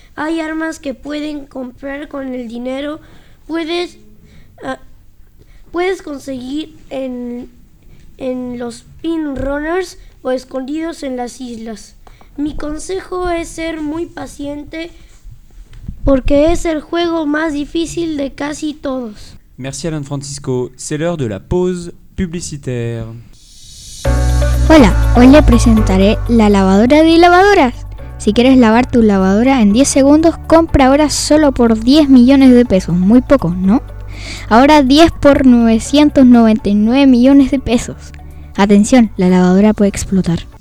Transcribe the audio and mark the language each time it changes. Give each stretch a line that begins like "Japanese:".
Spanish: Hay armas que pueden comprar con el dinero. Puedes conseguir en los Pin Runners o escondidos en las islas. Mi consejo es ser muy paciente porque es el juego más difícil de casi todos.
French: Merci Alan Francisco, c'est l'heure de la pause publicitaire.
Spanish: Hola, hoy le presentaré la lavadora de lavadoras. Si quieres lavar tu lavadora en 10 segundos, compra ahora solo por 10 millones de pesos, muy poco, ¿no? Ahora 10 por 999 millones de pesos. Atención, la lavadora puede explotar.